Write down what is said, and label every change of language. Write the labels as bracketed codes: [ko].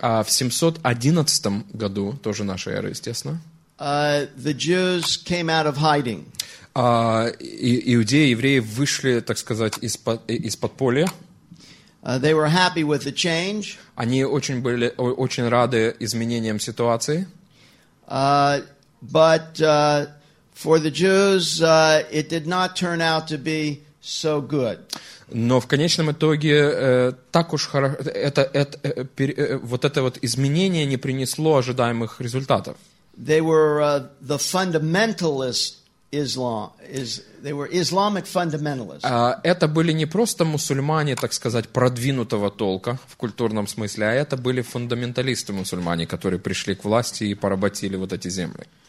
[ru] в 711 году, тоже наша эра, естественно, [en] the Jews came out of hiding. [ru] Иудеи, евреи вышли, так сказать, из подполья. [en] They were happy with the change. [ru] Они очень были, очень рады изменениям ситуации. [en] But for the Jews, it did not turn out to be so good. [ru] Но в конечном итоге так уж хорошо, вот это вот изменение не принесло ожидаемых результатов. [en] They were the fundamentalist Islam. They were Islamic fundamentalists. [ru] Это были не просто мусульмане, так сказать, продвинутого толка в культурном смысле, а это были фундаменталисты мусульмане, которые пришли к власти и поработили вот эти земли.